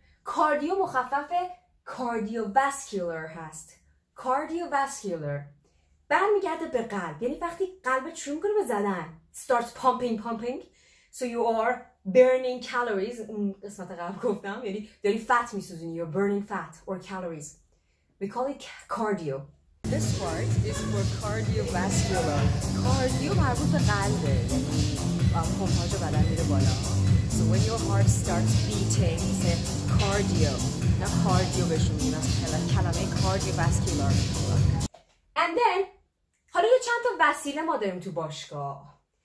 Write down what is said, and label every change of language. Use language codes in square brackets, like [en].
[fa] کاردیو مخفف cardiovascular هست. Cardiovascular برمیگرده به قلب، یعنی وقتی قلبت شروع کنه به زدن، [en] starts pumping, so you are burning calories. [fa] اون قسمت قبل گفتم یعنی داری فت میسوزونی، [en] you're burning fat or calories. We call it cardio. This part is for cardiovascular. [fa] Cardio مربوط به قلبه و پمپاژ بدن میره بالا. [en] So when your heart starts beating, you say cardio. [fa] نه cardio بشون میگن، از کلمه cardiovascular. [en] And then [fa] حالا یه چند تا وسیله ما داریم تو باشگاه.